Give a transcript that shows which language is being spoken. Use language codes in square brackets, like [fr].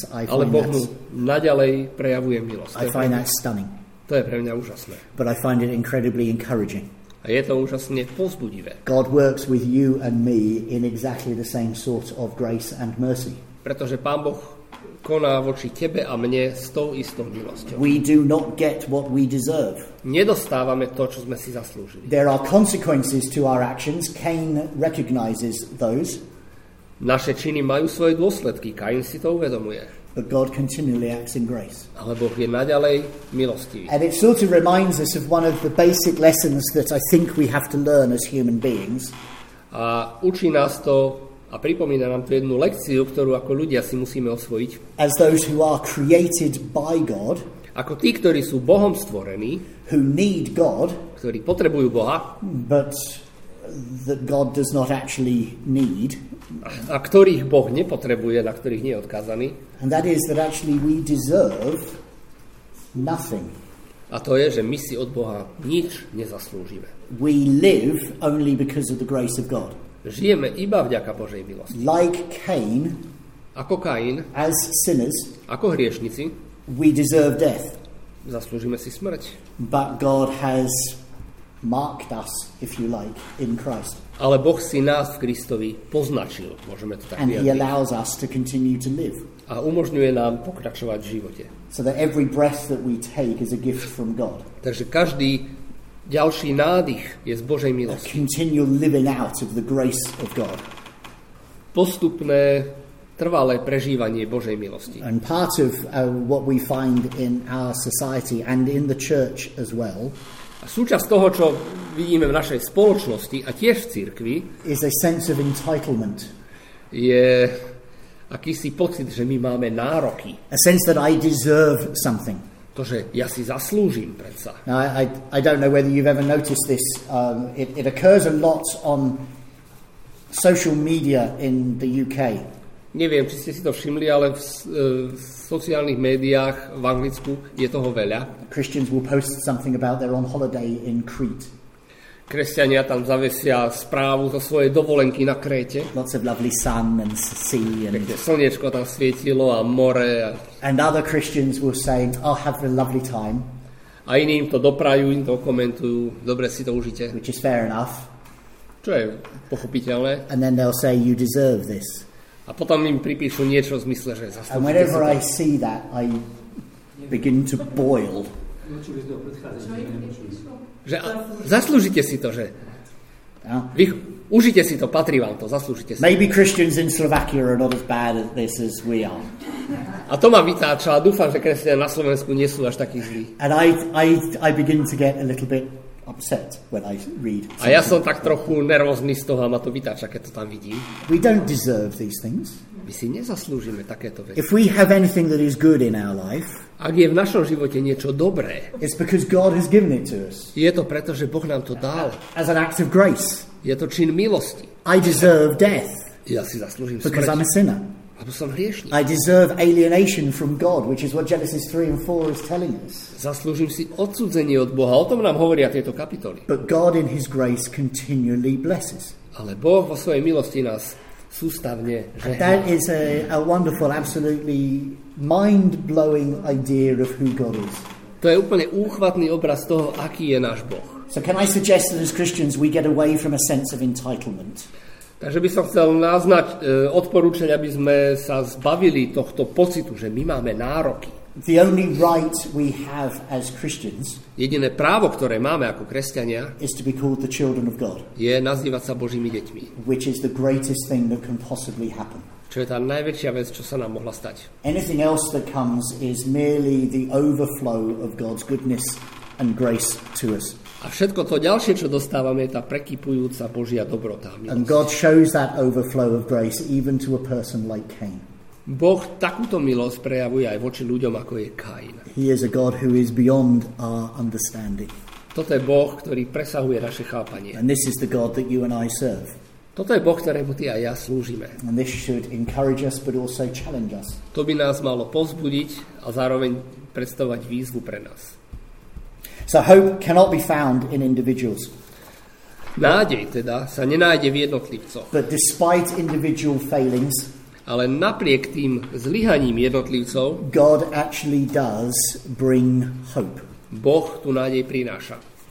[sk] Ale Boh mu naďalej prejavuje milosť. To je pre mňa úžasné. [en] But I find it incredibly encouraging. [sk] A je to úžasne povzbudivé. [en] God works with you and me in exactly the same sort of grace and mercy. [sk] Pretože Pán Boh koná voči tebe a mne s tou istou milosťou. [en] We do not get what we deserve. [sk] Nedostávame to, čo sme si zaslúžili. [en] There are consequences to our actions. Cain recognizes those. [sk] Naše činy majú svoje dôsledky. Cain si to uvedomuje. [en] But God continually acts in grace. [sk] Ale Boh je naďalej milostivý. [en] And it sort of reminds us of one of the basic lessons that I think we have to learn as human beings. [sk] A učí nás to a pripomína nám tú jednu lekciu, ktorú ako ľudia si musíme osvojiť. [en] As those who are created by God, [sk] ako tí, ktorí sú Bohom stvorení, [en] who need God, [sk] ktorí potrebujú Boha, [en] but that God does not actually need, [sk] a ktorých Boh nepotrebuje, na ktorých nie je odkázaný. [en] And that is that actually we deserve nothing. [sk] A to je, že my si od Boha nič nezaslúžime. [en] We live only because of the grace of God. [sk] Žijeme iba vďaka Božej milosti. [en] Like Cain, [sk] ako Kain, [en] as sinners, [sk] ako hriešnici, [en] we deserve death. [sk] Zaslúžime si smrť. [en] But God has marked us, if you like, in Christ. [sk] Ale Boh si nás v Kristovi poznačil, môžeme to tak vyjadriť. [en] And he allows us to continue to live. [sk] A umožňuje nám pokračovať v živote. [en] So that every breath that we take is a gift from God. [sk] Takže každý ďalší nádych je z Božej milosti. [en] A continual living out of the grace of God. [sk] Postupné, trvalé prežívanie Božej milosti. [en] And part of what we find in our society and in the church as well. [sk] A súčasť toho, čo vidíme v našej spoločnosti a tiež v cirkvi, [en] is a sense of entitlement. [sk] Je akýsi pocit, že my máme nároky. [en] A sense that I deserve something. [sk] To, že ja si zaslúžim predsa. [en] Now, I don't know whether you've ever noticed this. It occurs a lot on social media in the UK. [sk] Neviem, či ste si to všimli, ale v sociálnych médiách v Anglicku je toho veľa. [en] Christians will post something about they're on holiday in Crete. [sk] Kresťania tam zavesia správu zo svojej dovolenky na Kréte. [en] Lots of lovely sun and sea. [sk] Pekne slniečko tam svietilo a more. [en] And other Christians will say, I'll have a lovely time. [sk] A iní im to doprajú, im to komentujú, dobre si to užite. [en] Which is fair enough. [sk] Čo je pochopiteľné. [en] And then they'll say, you deserve this. [sk] A potom im pripíšu niečo v zmysle, že zaslúžite. [en] And whenever I see that, I begin to boil. [sk] Že zaslúžite si to, že vy, užite si to, patrí vám to, zaslúžite si. [en] Maybe Christians in Slovakia are not as bad at this as we are. [sk] A to ma vytáča, dúfam, že kresťania na Slovensku nie sú až takí zlí. [en] And I begin to get a little bit upset when I read. [sk] A ja som tak trochu nervózny z toho, a ma to vytáča, keď to tam vidím. [en] We don't deserve these things. [sk] My si nezaslúžime takéto veci. [en] If we have anything that is good in our life, [sk] ak je v našom živote niečo dobré, [en] it's because God has given it to us. [sk] Je to preto, že Boh nám to dal. [en] As an act of grace. [sk] Je to čin milosti. [en] I deserve death. [sk] Ja si zaslúžim smrť. [en] Because I'm a sinner. [sk] Lebo som hriešnik. [en] I deserve alienation from God, which is what Genesis 3 and 4 is telling us. [sk] Zaslúžim si odsúdenie od Boha. O tom nám hovoria tieto kapitoly. [en] But God in his grace continually blesses. [sk] Ale Boh vo svojej milosti nás sústavne žehná. [en] That is a wonderful, absolutely mind-blowing idea of who God is. [sk] To je úplne úchvatný obraz toho, aký je náš Boh. [en] So can I suggest that as Christians we get away from a sense of entitlement? [sk] Takže by som chcel odporúčať, aby sme sa zbavili tohto pocitu, že my máme nároky. [en] The only right we have as Christians, [sk] jediné právo, ktoré máme ako kresťania, [en] is to be called the children of God, [sk] je nazývať sa Božími deťmi. [en] Which is the greatest thing that can possibly happen. [sk] Čo je tá najväčšia vec, čo sa nám mohla stať. [en] Anything else that comes is merely the overflow of God's goodness and grace to us. [sk] A všetko to ďalšie, čo dostávame, je tá prekypujúca Božia dobrota. [en] And God shows that overflow of grace even to a person like Cain. [sk] Boh takúto milosť prejavuje aj voči ľuďom, ako je Kain. [en] He is a God who is beyond our understanding. [sk] Toto je Boh, ktorý presahuje naše chápanie. [en] And this is the God that you and I serve. [sk] Toto je Boh, ktorému ty a ja slúžime. [en] And this should encourage us, but also challenge us. [sk] To by nás malo povzbudiť a zároveň predstavovať výzvu pre nás. [en] So hope cannot be found in individuals. [sk] Nádej teda sa nenájde v jednotlivcoch. [en] But despite individual failings, [sk] ale napriek tým zlyhaním jednotlivcov, [en] God actually does bring hope. [sk] Boh tu nádej prináša.